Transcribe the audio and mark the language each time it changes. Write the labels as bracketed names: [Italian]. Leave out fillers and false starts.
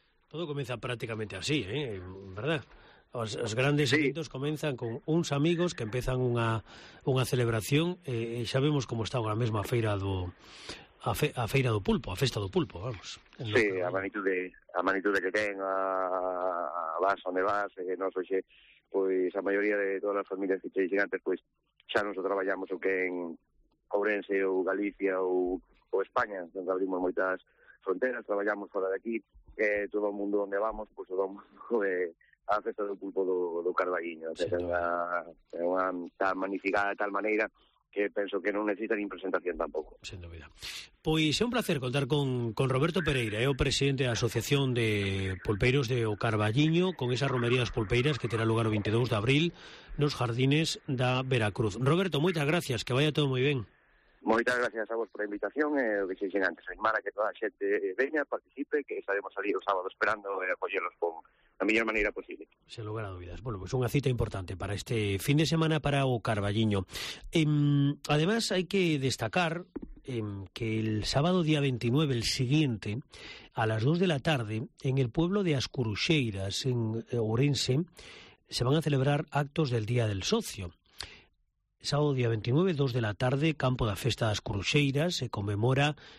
[Galician] Todo comeza prácticamente así, ¿verdad? Os grandes eventos comenzan con uns amigos que empezan unha celebración. Xa vemos como está agora mesmo a festa do pulpo, vamos. Sí, a magnitude que ten, vas onde vas, nos hoxe, pois a maioría de todas as familias que che dixen antes, pois xa nos traballamos o que en Ourense ou Galicia ou España, donde abrimos moitas fronteras, traballamos fora de aquí, que todo o mundo onde vamos, pois todo o mundo a festa do pulpo do Carballiño. É unha tan magnificada de tal maneira que penso que non necesita nin presentación tampouco. Sen dúbida. Pois é un placer contar con Roberto Pereira, é o presidente da Asociación de Pulpeiros de O Carballiño, con esas romerías pulpeiras que terá lugar o 22 de abril nos jardines da Veracruz. Roberto, moitas gracias, que vaya todo moi ben. Moitas gracias a vos por a invitación, o que xeixen antes, animar a que toda a xente veña, participe, que estaremos ali o sábado esperando e apoyelos con a mellor maneira posible. Sen lugar a dúbidas. Bueno, pois unha cita importante para este fin de semana para o Carballiño. [Spanish] Además, hai que destacar que el sábado día 29, el siguiente, a las 2 de la tarde, en el pueblo de Ascuruxeiras, en Ourense, se van a celebrar actos del Día del Socio. Sábado día 29, 2 de la tarde, campo da festa das Cruxeiras, se conmemora